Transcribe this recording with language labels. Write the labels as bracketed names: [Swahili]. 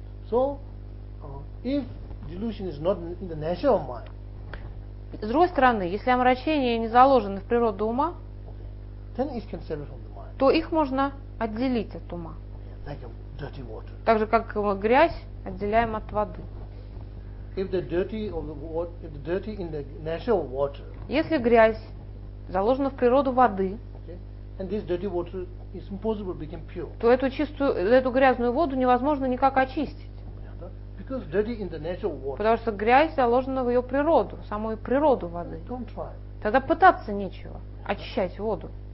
[English] So, if delusion is not in the nature of mind. [Russian] С другой стороны, если омрачение не заложено в природу ума, [English] then it can separate from the mind. [Russian] То их можно отделить от ума. [English] Like a dirty water. [Russian] Так же, как грязь отделяем от воды. [English] If the dirty of the water, if the dirty in the natural water. [Russian] Если грязь заложена в природу воды. [English] Okay. And this dirty water is impossible to become pure. [Russian] То эту чистую, эту грязную воду невозможно никак очистить. [English] Yeah, because dirty in the natural water. [Russian] Потому что грязь заложена в ее природу, в самую природу воды. [English] Don't try. [Russian] Тогда пытаться нечего очищать воду.